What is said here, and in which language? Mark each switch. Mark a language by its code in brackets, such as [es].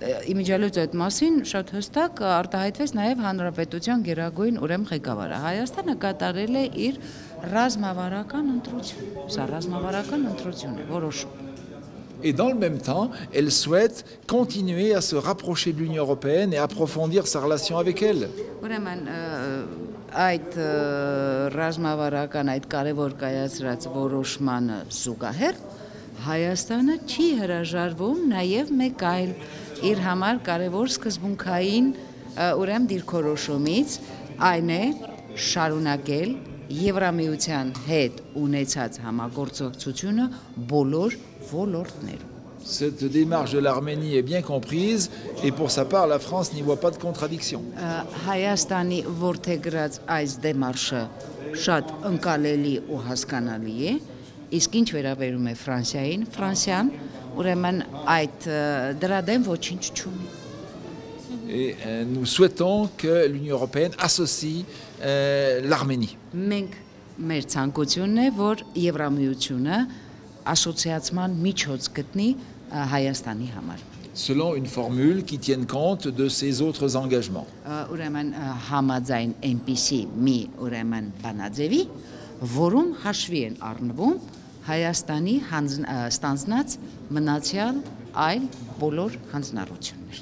[hy] Իմիջիալյուց այդ մասին շատ հստակ արտահայտվեց նաև Հանրապետության գերագույն ուրեմ ղեկավարը։ Հայաստանը կատարել է իր ռազմավարական ընտրություն, սա ռազմավարական ընտրություն է, որոշում։ [fr] Et dans le même temps, elle souhaite continuer à se rapprocher de l'Union européenne et approfondir sa relation avec elle. [hy] Ուրեմն այդ ռազմավարական այդ կարևոր կայացրած որոշման զուգահեռ Հայաստանը չի հրաժարվում նաև մեկ այլ իր համար կարևոր սկզբունքային ուրեմ դիրքորոշումից, այն է շարունակել Եվրամիության հետ ունեցած համագործակցությունը բոլոր ոլորտներում. [fr] Cette démarche de l'Arménie est bien comprise et pour sa part la France n'y voit pas de contradiction. [hy] Հայաստանի որթեգրած այս դեմարշը շատ ընկալելի ու հասկանալի է, իսկ ինչ վերաբերում է Ֆրանսիային, Ֆրանսիան ուրեմն այդ դրա դեմ ոչինչ չունի։ [fr] Et nous souhaitons que l'Union européenne associe l'Arménie. [hy] Մենք մեր ցանկությունն է, որ Եվրամիությունը ասոցիացիան միջոց գտնի Հայաստանի համար։ [fr] Selon une formule qui tienne compte de ses autres engagements. [hy] Ուրեմն համաձայն այնպիսի մի ուրեմն բանաձևի, որում հաշվի են առնվում Հայաստանի հանձնած մնացյալ այլ բոլոր հանձնառություններ։